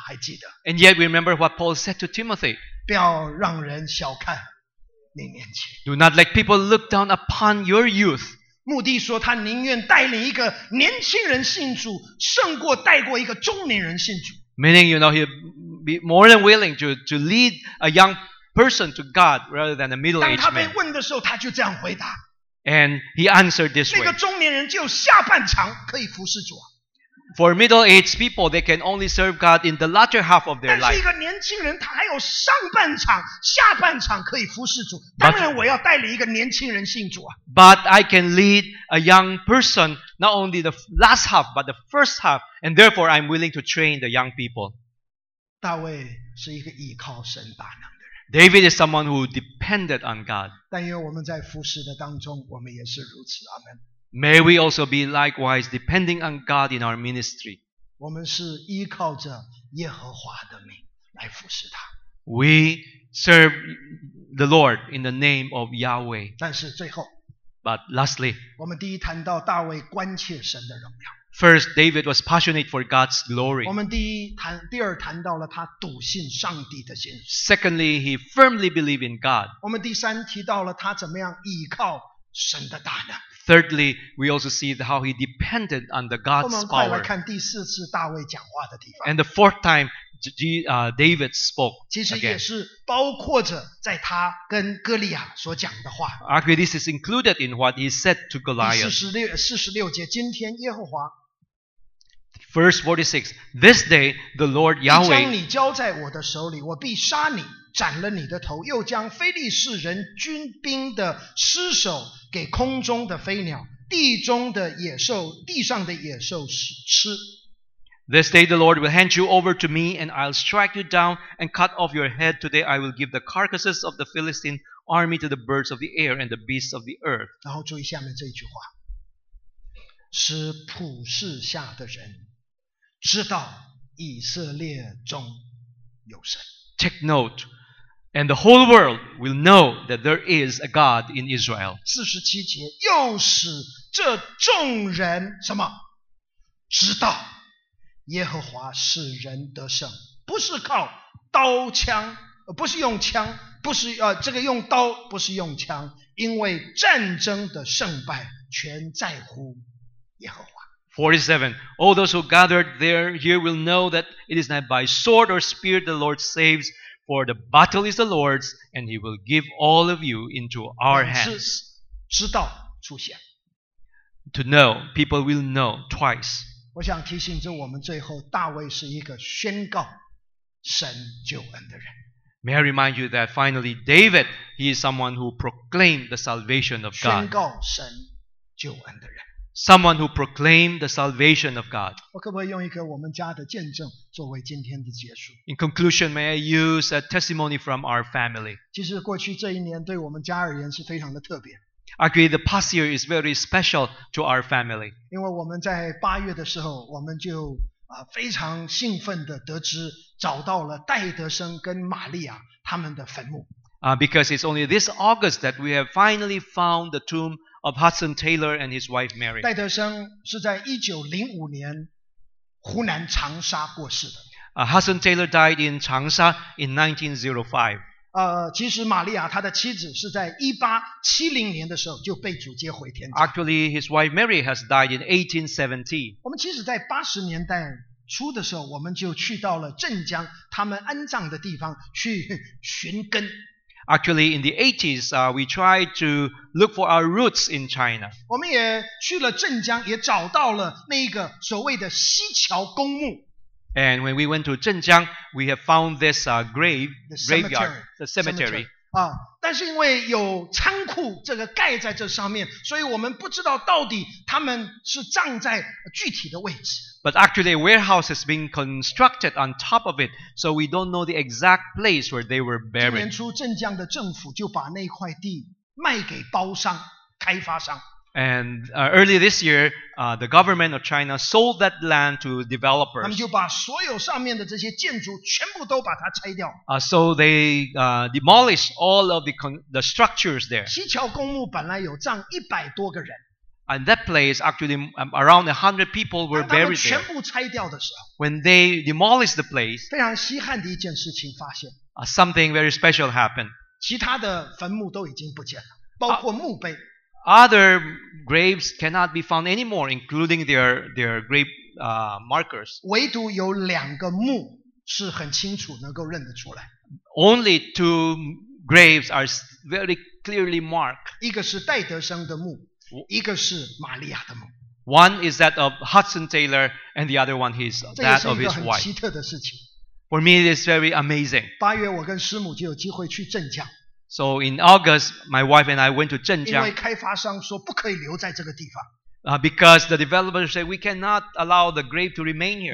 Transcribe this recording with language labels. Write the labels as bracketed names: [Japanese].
[Chinese] 还记得？ [English] And yet we remember what Paul said to Timothy. [Chinese] 不要让人小看。 [English] Do not let people look down upon your youth. [Chinese] 穆迪说他宁愿带领一个年轻人信主，胜过带过一个中年人信主。 [English] Meaning, you know, he'd be more than willing to lead a young person to God rather than a middle-aged man. [Chinese] 当他被问的时候，他就这样回答。 [English] And he answered this way. [Chinese] 那个中年人只有下半场可以服侍主啊。 [English] For middle-aged people, they can only serve God in the latter half of their life. [Chinese] 但是一个年轻人，他还有上半场、下半场可以服侍主。当然，我要带领一个年轻人信主啊。 [English] But I can lead a young person not only the last half but the first half, and therefore I'm willing to train the young people. [Chinese] 大卫是一个依靠神大能的人。 [English] David is someone who depended on God. [Chinese] 但愿我们在服侍的当中，我们也是如此。阿门。 [English] May we also be likewise depending on God in our ministry. [Chinese] 我们是依靠着耶和华的名来服侍他。 [English] We serve the Lord in the name of Yahweh. [Chinese] 但是最后， [English] But lastly, [Chinese] 我们第一谈到大卫关切神的荣耀。 [English] First, David was passionate for God's glory. [Chinese] 我们第二谈到了他笃信上帝的心。 [English] Secondly, he firmly believed in God. [Chinese] 我们第三提到了他怎么样依靠神的大能。 [English] Thirdly, we also see how he depended on the God's power. [Chinese] 我们快来看第四次大卫讲话的地方。 [English] And the fourth time, David spoke again. [Chinese] 其实也是包括着在他跟哥利亚所讲的话。 [English] Actually, this is included in what he said to Goliath. [Chinese] 46节，今天耶和华。 [English] Verse 46, this day the Lord Yahweh. [Chinese] 你将你交在我的手里，我必杀你。斩了你的头，又将腓力士人军兵的尸首给空中的飞鸟、地中的野兽、地上的野兽吃。 [English] This day the Lord will hand you over to me, and I'll strike you down and cut off your head. Today I will give the carcasses of the Philistine army to the birds of the air and the beasts of the earth. [Chinese] 然后注意下面这一句话，使普世下的人知道以色列中有神。 [English] Take note, and the whole world will know that there is a God in Israel. [Chinese] 47节，又使这众人什么？知道耶和华是人得胜，不是靠刀枪，不是用枪，不是这个用刀，不是用枪，因为战争的胜败全在乎耶和华。 [English] 47. All those who gathered there here will know that it is not by sword or spear the Lord saves, for the battle is the Lord's, and He will give all of you into our hands. [Chinese] 知道出现。 [English] To know, people will know twice. [Chinese] 我想提醒着我们，最后大卫是一个宣告神救恩的人。 [English] May I remind you that finally David, he is someone who proclaimed the salvation of God. [Chinese] 宣告神救恩的人。 [English] Someone who proclaimed the salvation of God. [Chinese] 我可不可以用一个我们家的见证作为今天的结束 [English] ？In conclusion, may I use a testimony from our family? [Chinese] 其实过去这一年对我们家而言是非常的特别。 [English] Agree, the past year is very special to our family. [Chinese] 因为我们在八月的时候，我们就非常兴奋地得知找到了戴德生跟玛利亚他们的坟墓。 [English] Because it's only this August that we have finally found the tomb of Hudson Taylor and his wife Mary. [Chinese] 戴德生是在1905年湖南长沙过世的。 [English] Hudson Taylor died in 长沙 in 1905. [Chinese] 其实玛利亚他的妻子是在1870年的时候就被主接回天家。 [English] Actually, his wife Mary has died in 1870. [Chinese] 我们其实在80年代初的时候，我们就去到了镇江他们安葬的地方去寻根。 [English] Actually, in the 80s, we tried to look for our roots in China. [Chinese] 我们也去了镇江，也找到了那个所谓的西桥公墓。 [English] And when we went to Zhenjiang, we have found this graveyard, the cemetery. [Chinese] 但是因为有仓库这个盖在这上面，所以我们不知道到底他们是葬在具体的位置。 [English] But actually, a warehouse has been constructed on top of it, so we don't know the exact place where they were buried. [Chinese] 今年初，Zhenjiang的政府就把那块地卖给包商、开发商。 [English] And early this year, the government of China sold that land to developers. [Chinese] 他们就把所有上面的这些建筑全部都把它拆掉。 [English] So they demolished all of the structures there. [Chinese] 西桥公墓本来有葬100多个人。 [English] And that place actually around 100 people were buried there. [Chinese] 当他们全部拆掉的时候 [English] ，When they demolished the place, [Chinese] 非常稀罕的一件事情发现。 [English] Something very special happened. [Chinese] 其他的坟墓都已经不见了，包括墓碑。 [English] Other graves cannot be found anymore, including their grave markers. [Chinese] 唯独有两个墓是很清楚能够认得出来。 [English] Only two graves are very clearly marked. [Chinese] 一个是戴德生的墓，一个是玛利亚的墓。 [English] One is that of Hudson Taylor, and the other one is that of his wife. [Chinese] 这是一个很奇特的事情。 [English] For me, it is very amazing. [Chinese] 八月，我跟师母就有机会去镇江。 [English] So in August, my wife and I went to Zhenjiang. [Chinese] 因为开发商说不可以留在这个地方。 [English] Because the developer said we cannot allow the grave to remain here.